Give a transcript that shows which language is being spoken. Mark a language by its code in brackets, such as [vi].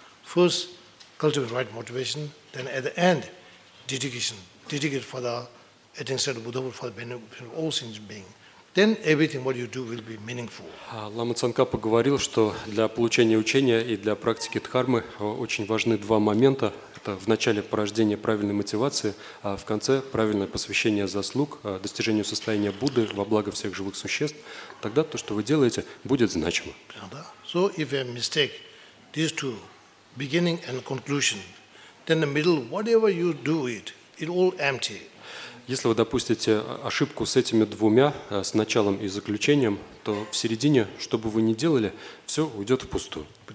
[en] First, cultivate right motivation, then at the end, dedication. Dedicate for the attention of Buddha, for the benefit of all sentient beings. Then everything what you do will be meaningful. [ru] Лама Цанкапа говорил, что для получения учения и для практики дхармы очень важны два момента. Это в начале порождение правильной мотивации, а в конце правильное посвящение заслуг достижению состояния Будды во благо всех живых существ. Тогда то, что вы делаете, будет значимо. [en] So if a mistake, these two, beginning and conclusion, then the middle, whatever you do it, it all empty. [ru] Если вы допустите ошибку с этими двумя, с началом и заключением, то в середине, что бы вы ни делали, все уйдет впустую.